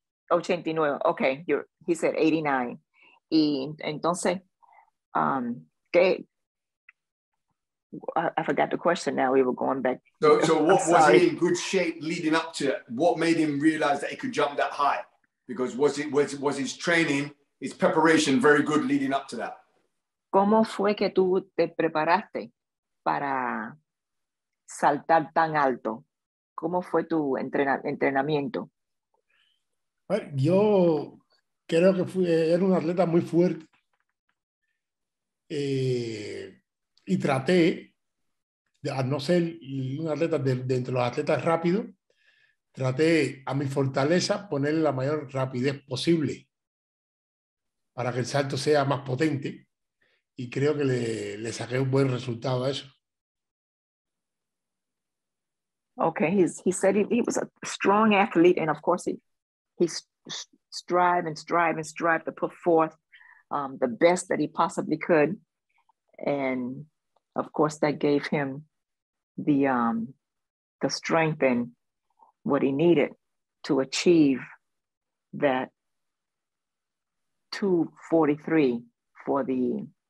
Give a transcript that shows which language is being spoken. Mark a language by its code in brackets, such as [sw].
[en] 89, okay, he said 89. [es] Y entonces, [en] I forgot the question now, we were going back. So what was he in good shape leading up to it? What made him realize that he could jump that high? Because was his training, his preparation very good leading up to that? [es] ¿Cómo fue que tú te preparaste para saltar tan alto? ¿Cómo fue tu entrenamiento? Yo creo que era un atleta muy fuerte y traté, a no ser un atleta de entre los atletas rápido, traté a mi fortaleza ponerle la mayor rapidez posible para que el salto sea más potente y creo que le saqué un buen resultado a eso. [en] Okay, he said he was a strong athlete and of course he strive and strive and strive to put forth the best that he possibly could. And of course that gave him the strength and what he needed to achieve that 2.43 for the